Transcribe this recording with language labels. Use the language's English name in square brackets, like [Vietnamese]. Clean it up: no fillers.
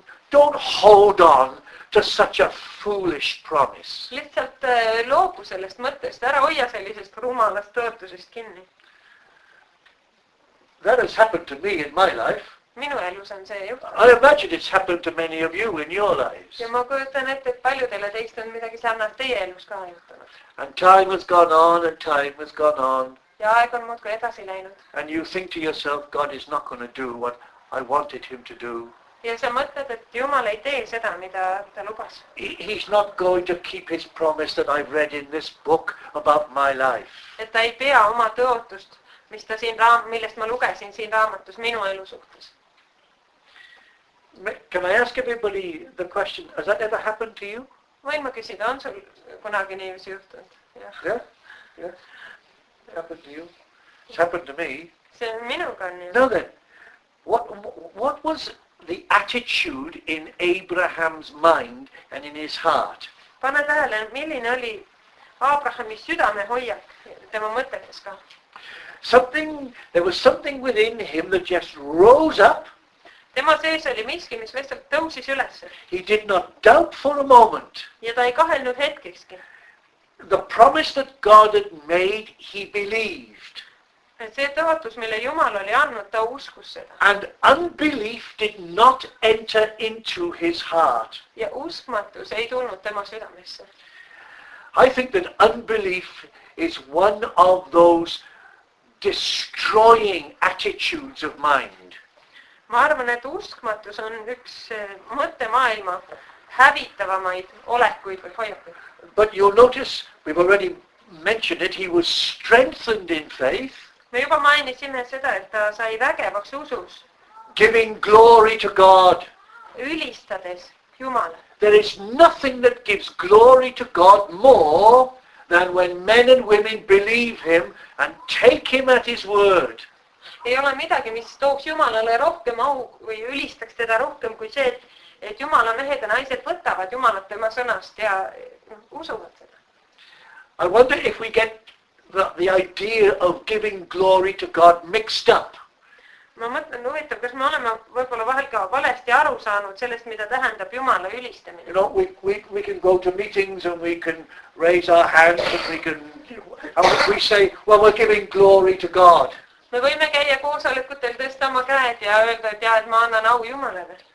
[English] Don't hold on to such a foolish promise. [Estonian] Lihtsalt loobu sellest mõttest. Ära hoia sellisest rumalast tõotusest kinni. [English] That has happened to me in my life. [Estonian] Minu elus on see juhtunud. [English] I imagine it's happened to many of you in your lives. [Estonian] Ja ma kujutan ette, et paljudele teist on midagi sarnast teie elus ka juhtunud. [English] And time has gone on and time has gone on. [Estonian] Ja aeg on muudkui edasi läinud. [English] And you think to yourself, God is not going to do what I wanted him to do. [Estonian] Ja sa mõtled, et Jumal ei tee seda, mida ta lubas. [English] He's not going to keep his promise that I've read in this book about my life. [Estonian] Et ta ei pea oma tõotust, millest ma lugesin siin raamatus minu elu suhtes. [English] Can I ask everybody the question, has that ever happened to you? [Estonian] Võin ma küsida, on sul kunagi niimoodi juhtunud? [English] Yeah, happened to you. It's happened to me. [Estonian] See on minuga niimoodi. [English] No then, what was the attitude in Abraham's mind and in his heart? [Estonian] Pane tähele, milline oli Abrahami südame hoiak tema mõtetes ka? [English] Something, there was something within him that just rose up. [Estonian] Tema sees oli miski, mis vestalt tõusis üles. [English] He did not doubt for a moment. [Estonian] Ja ta ei kahelnud hetkekski. [English] The promise that God had made, he believed. [Estonian] See tõotus, mille Jumal oli annud, ta uskus seda. [English] And unbelief did not enter into his heart. [Estonian] Ja uskmatus ei tulnud tema südamesse. [English] I think that unbelief is one of those destroying attitudes of mind. [Estonian] Ma arvan, et uskmatus on üks mõttemaailma hävitavamaid olekuid või hoiakuid. [English] But you'll notice, we've already mentioned it, he was strengthened in faith. [Estonian] Me juba mainisime seda, et ta sai vägevaks usus. [English] Giving glory to God. [Estonian] Ülistades Jumale. [English] There is nothing that gives glory to God more than when men and women believe him and take him at his word. [Estonian] Ei ole midagi, mis tooks Jumalale rohkem au või ülistaks teda rohkem kui see, et Jumala mehed ja naised võtavad Jumalat tema sõnast ja usuvad seda. [English] I wonder if we get the idea of giving glory to God mixed up. [Estonian] Ma mõtlen, huvitav, kas me oleme võibolla vahel ka valesti aru saanud sellest, mida tähendab Jumala ülistamine. [English] You know, we can go to meetings and we can raise our hands and we say, well, we're giving glory to God. [Estonian] Me võime käia koosolekutel tõstama käed ja öelda, et jah, et ma annan au Jumalele.